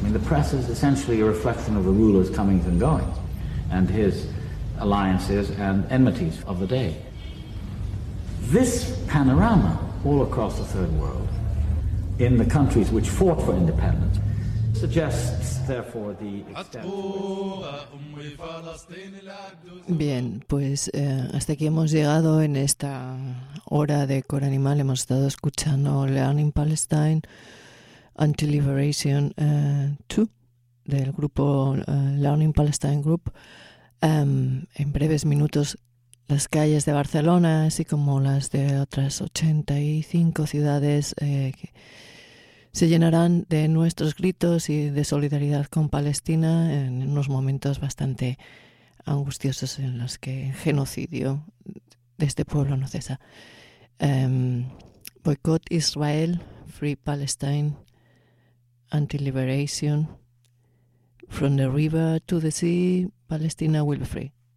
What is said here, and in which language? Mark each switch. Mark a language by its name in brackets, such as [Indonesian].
[English] I mean, the press is essentially a reflection of the ruler's comings and goings and his alliances and enmities of the day. This panorama all across the Third World in the countries which fought for independence suggests therefore the extent. [Spanish] Bien, pues hasta aquí hemos llegado en esta hora de Core Animal. Hemos estado escuchando Learning Palestine Until Liberation 2 del grupo Learning Palestine Group. En breves minutos las calles de Barcelona, así como las de otras 85 ciudades, se llenarán de nuestros gritos y de solidaridad con Palestina en unos momentos bastante angustiosos en los que el genocidio de este pueblo no cesa. [English] Boycott Israel, Free Palestine, Anti-Liberation, From the River to the Sea, Palestina will be free.